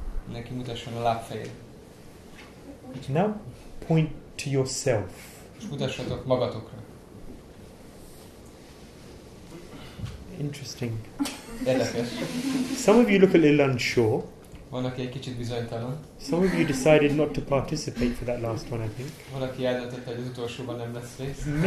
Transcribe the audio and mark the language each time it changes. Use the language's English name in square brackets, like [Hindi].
[Hungarian] Mindenki mutasson a lábfejére. [English] Now point to yourself. [Hungarian] És mutassatok magatokra. [English] Interesting. [Hungarian] Érdekes. [English] Some of you look a little unsure. [Hungarian] Van, aki egy kicsit bizonytalan. [English] Some of you decided not to participate for that last one, I think. [Hungarian] Van, aki eldöntött, hogy az utolsóban nem lesz rész.